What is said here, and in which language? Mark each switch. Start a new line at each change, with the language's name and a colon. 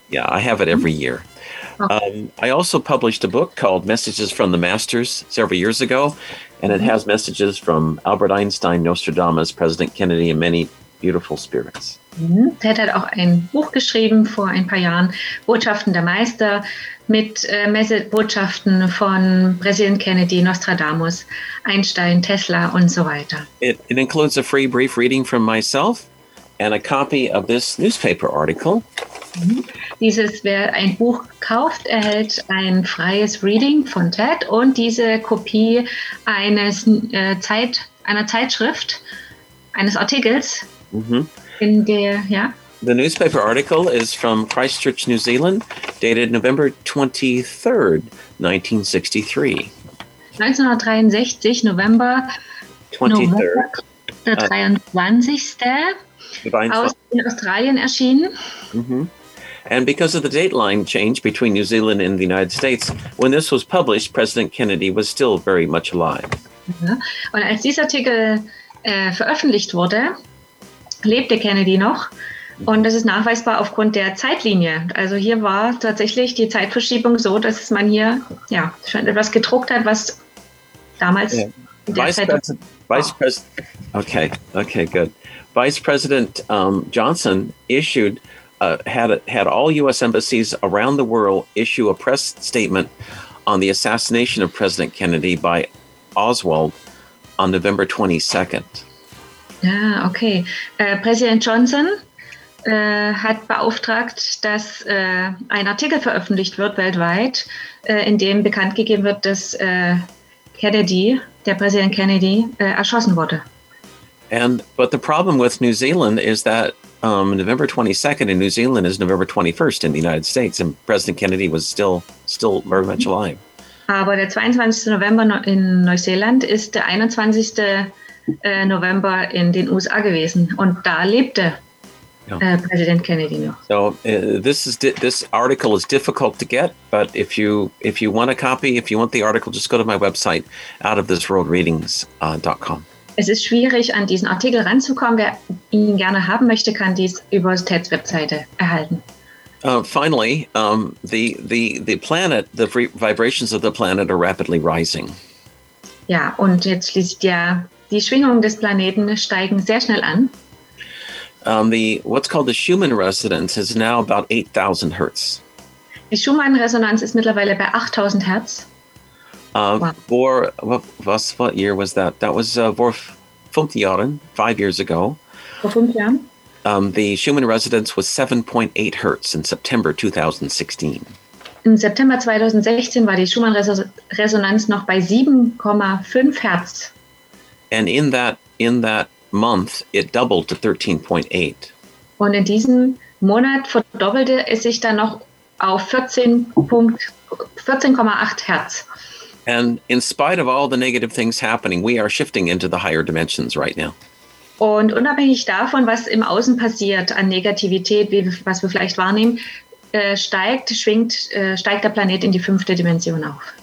English: Yeah, I have it every year. Okay. I also published a book called Messages from the Masters several years ago, and it has messages from Albert Einstein, Nostradamus, President Kennedy, and many beautiful spirits. Mm-hmm.
German: Ted hat auch ein Buch geschrieben vor ein paar Jahren, Botschaften der Meister, mit Botschaften von President Kennedy, Nostradamus, Einstein, Tesla, und so weiter.
English: It includes a free brief reading from myself and a copy of this newspaper article.
German: Dieses, wer ein Buch kauft, erhält ein freies Reading von Ted und diese Kopie einer Artikels. Mm-hmm. In der, ja.
English: The newspaper article is from Christchurch, New Zealand, dated November 23rd, 1963. November 23rd.
German: Der 23. aus in Australien erschienen. Mm-hmm.
English: And because of the dateline change between New Zealand and the United States, when this was published, President Kennedy was still very much alive.
German: Ja. Und als dieser Artikel veröffentlicht wurde, lebte Kennedy noch. Und das ist nachweisbar aufgrund der Zeitlinie. Also hier war tatsächlich die Zeitverschiebung so, dass man hier ja schon etwas gedruckt hat, was damals.
English: Vice President Johnson issued had all U.S. embassies around the world issue a press statement on the assassination of President Kennedy by Oswald on November 22nd. Ah, okay.
German: Präsident Johnson hat beauftragt, dass ein Artikel veröffentlicht wird weltweit, in dem bekannt gegeben wird, dass Präsident Kennedy erschossen wurde.
English: But the problem with New Zealand is that November 22nd in New Zealand is November 21st in the United States, and President Kennedy was still very much alive.
German: Aber der 22. November in Neuseeland ist der 21. November in den USA gewesen, und da lebte Präsident Kennedy noch.
English: So this article is difficult to get, but if you want a copy, if you want the article, just go to my website, outofthisworldreadings.com.
German: Es ist schwierig, an diesen Artikel ranzukommen. Wer ihn gerne haben möchte, kann dies über TED's Webseite erhalten.
English: Finally, the planet, the vibrations of the planet are rapidly rising.
German: Ja, und jetzt schließt ja, die Schwingungen des Planeten steigen sehr schnell an.
English: What's called the Schumann resonance is now about 8,000 Hertz.
German: Die Schumann-Resonanz ist mittlerweile bei 8,000 Hertz.
English: What year was that? That was five years ago.
German: Vor 5 Jahren.
English: The Schumann resonance was 7.8 Hertz in September 2016.
German: In September 2016 war die Schumann-Resonanz noch bei 7,5 Hertz.
English: And in that month, it doubled to 13.8.
German: Und in diesem Monat verdoppelte es sich dann noch auf 14,8 Hertz.
English: And in spite of all the negative things happening, we are shifting into the higher dimensions right now.
German: Und unabhängig davon, was im Außen passiert an Negativität, was wir vielleicht wahrnehmen, steigt der Planet in die fünfte Dimension auf.